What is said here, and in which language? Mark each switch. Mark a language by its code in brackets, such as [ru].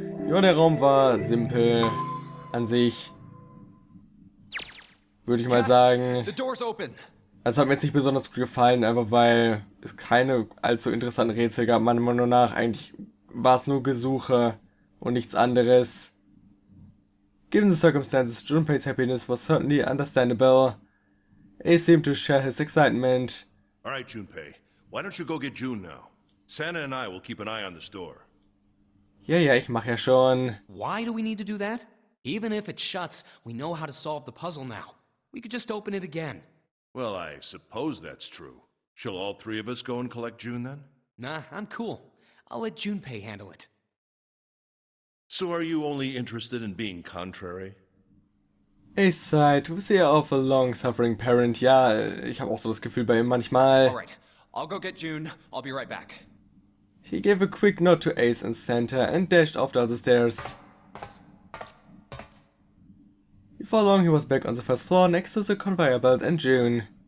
[de] Ja, der Raum war simpel. An sich. Würde ich mal sagen. Also hat mir jetzt nicht besonders gut gefallen, einfach weil es keine allzu interessanten Rätsel gab, meiner Meinung nach. Eigentlich war es nur Gesuche und nichts anderes. [en] Given the circumstances, Junpei's happiness was certainly understandable. He seemed to share his excitement. All right, Junpei. Why don't you go get June now? Santa and I will keep an eye on the store. [de] Ja, ich mach ja schon. [en] Why do we need to do that? Even if it shuts, we know how to solve the puzzle now. We could just open it again. Well, I suppose that's true. Shall all three of us go and collect June then? Nah, I'm cool. I'll let Junpei handle it. So are you only interested in being contrary? [de] Aside, du bist ja auch [en] a long-suffering parent. [de] Ja, ich habe auch so das Gefühl bei ihm manchmal. [en] Alright, I'll go get June. I'll be right back. He gave a quick nod to Ace and Santa and dashed off down the stairs. Before long, he was back on the first floor next to the conveyor belt and June.